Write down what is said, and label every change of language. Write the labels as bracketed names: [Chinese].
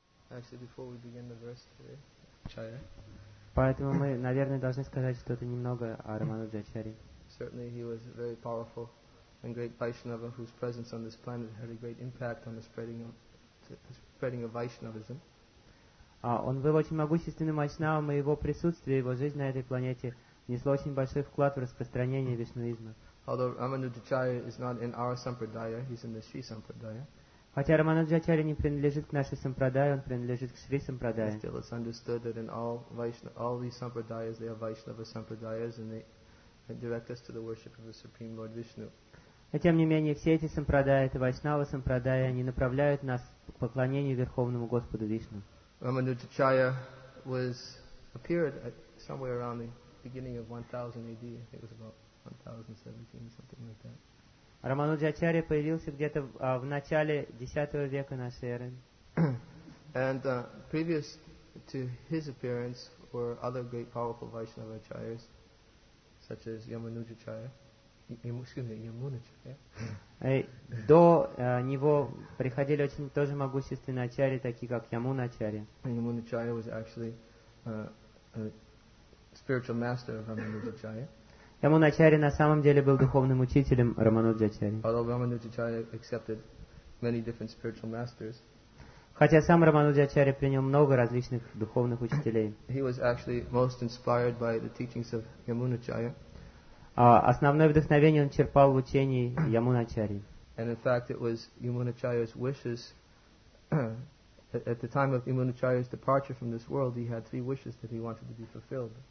[English] Actually, before we begin the verse today, Чая. [Russian] Поэтому мы, наверное, должны сказать что-то немного о Рамануджачаре. [English] Certainly, he was very powerful and great Vaishnava whose presence on this planet had a great impact on the spreading of Vaishnavism. [Russian] Он был очень могущественным вайшнавом, и его присутствие, его жизнь на этой планете внесло очень большой вклад в распространение вишнуизма. [English] Although Рамануджачара is not in our sampradaya, he's in the Sri sampradaya. [Russian] Хотя Рамануджачарья не принадлежит к нашей сампрадае, он принадлежит к Шри сампрадае. [English] Still, it's understood that in all these sampradayas, they are Vaishnava sampradayas, and they direct us to the worship of the Supreme Lord Vishnu. [Russian] Но тем не менее, все эти сампрадаи, это Вайшнава сампрадаи, они направляют нас к поклонению Верховному Господу Вишну. [English] Рамануджачарья appeared somewhere around the beginning of 1000 AD. I think it was about 1017, something like that. [Russian] Рамануджачарья появился где-то в начале 10 века нашей эры. [English] And previous to his appearance were other great powerful Vaishnava acharyas, such as Yamanujacharya. Yamunacharya. [Russian] До него приходили очень тоже могущественные ачарьи, такие как Yamunacharya. [English] Yamunacharya was actually a spiritual master of Рамануджачарья. [Russian] Рамануджачарья на самом деле был духовным учителем Рамануджачарья. [English] Although Рамануджачарья accepted many different spiritual masters, [Russian] хотя сам Рамануджачарья принял много различных духовных учителей, [English] he was actually most inspired by the teachings of Yamunacharya. [Russian] Основное вдохновение он черпал в учении Ямуначарьи. [English] And in fact, it was Yamunacharya's wishes at the time of Yamunacharya's departure from this world, he had three wishes that he wanted to be fulfilled.